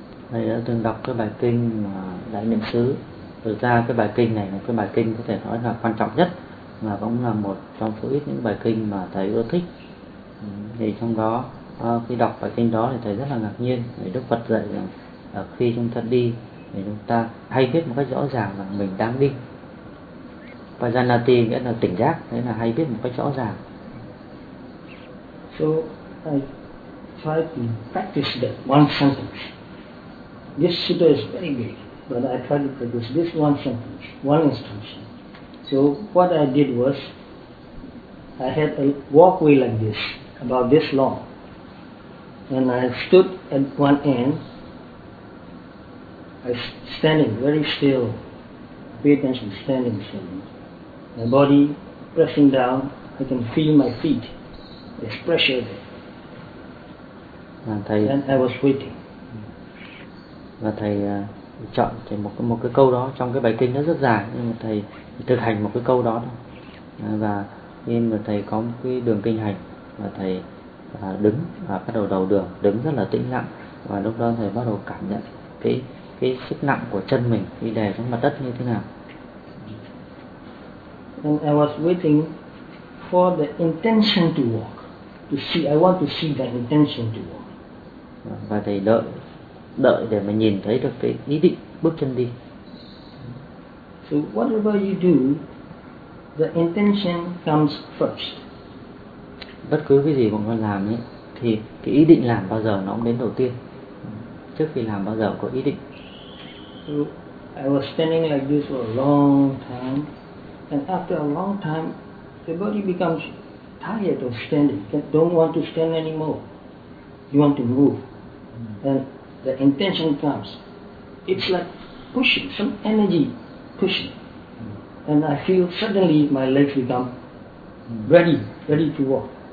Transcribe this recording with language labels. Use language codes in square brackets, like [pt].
[vi] Thầy đã từng đọc cái bài kinh mà Đại Niệm Xứ. Thực ra cái bài kinh này là cái bài kinh có thể nói là quan trọng nhất, mà cũng là một trong số ít những bài kinh mà thầy ưa thích. Thì trong đó khi đọc bài kinh đó thì thầy rất là ngạc nhiên, vì Đức Phật dạy rằng khi chúng ta đi thì chúng ta hay biết một cách rõ ràng rằng mình đang đi. Pajanati nghĩa là tỉnh giác, nghĩa là hay biết một cách rõ ràng. [en] So I try to practice that one sentence. This sutta is very big, but I try to practice this one sentence, one instruction. So what I did was, I had a walkway like this, about this long. And I stood at one end, I was standing very still, pay attention, standing, standing. My body pressing down, I can feel my feet, there's pressure there. [vi] Và thầy, [en] and I was waiting. [vi] Và thầy chọn thầy một cái câu đó trong cái bài kinh nó rất dài, nhưng mà thầy thực hành một cái câu đó thôi. Và khi mà thầy có một cái đường kinh hành và thầy đứng và bắt đầu đường đứng rất là tĩnh lặng, và lúc đó thầy bắt đầu cảm nhận cái sức nặng của chân mình khi đè xuống mặt đất như thế nào. [en] And I was waiting for the intention to walk, to see. I want to see the intention to walk. [vi] Và thầy đợi để mà nhìn thấy được cái ý định bước chân đi. [en] So whatever you do, the intention comes first. [vi] Bất cứ cái gì mà con làm ấy, thì cái ý định làm bao giờ nó cũng đến đầu tiên. Trước khi làm bao giờ có ý định. [en] So I was standing like this for a long time, and after a long time, the body becomes tired of standing. They don't want to stand anymore. You want to move, and the intention comes. It's like pushing, some energy pushing, and I feel suddenly my legs become ready to walk.